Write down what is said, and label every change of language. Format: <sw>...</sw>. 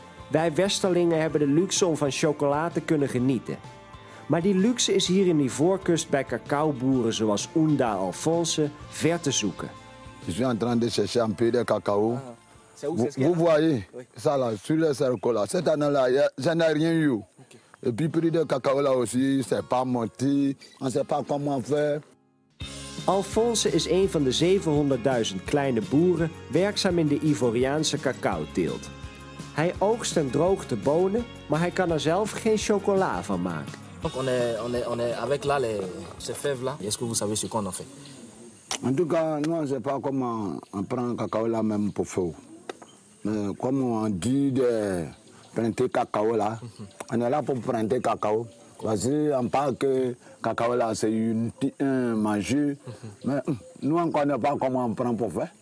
<nl>Wij Westerlingen hebben de luxe om van chocola te kunnen genieten. Maar die luxe is hier in die voorkust bij cacaoboeren zoals Unda Alphonse ver te zoeken. Ik ben</nl> <fr>in train de chercher un peu de cacao. Vous voyez, ça là, celui-là, c'est le cola. Cette année-là, je n'ai rien eu. Et puis, prix de cacao là aussi, c'est pas monté. On ne sait pas comment faire.</fr> <nl>Alphonse is een van de 700.000 kleine boeren werkzaam in de Ivoriaanse cacaoteelt. Hij oogst en droogt de bonen, maar hij kan er zelf geen chocola van maken.</nl> <fr>On est avec là les fèves là. Est-ce que vous savez ce qu'on en fait? En tout cas, nous on ne sait pas comment on prend cacao là même pour feu. Mais comme on dit de planter cacao là, on est là pour planter cacao. Parce qu'on parle que cacao là c'est un manger, mais nous on ne connaît pas comment on prend pour faire.</fr>